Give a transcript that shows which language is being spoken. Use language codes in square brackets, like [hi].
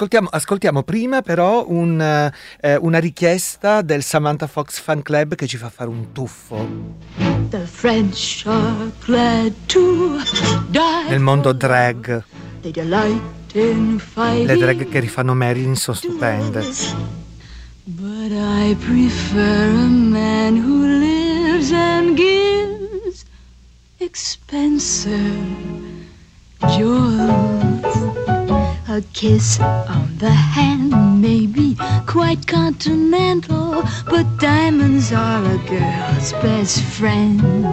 [it] Ascoltiamo prima però una richiesta del Samantha Fox Fan Club che ci fa fare un tuffo. [en] The French are glad to die. [it] Nel mondo drag. Le drag che rifanno Marilyn sono stupende. [en] But I prefer a man who lives and gives expensive jewels. A kiss on the hand may be quite continental, but diamonds are a girl's best friend.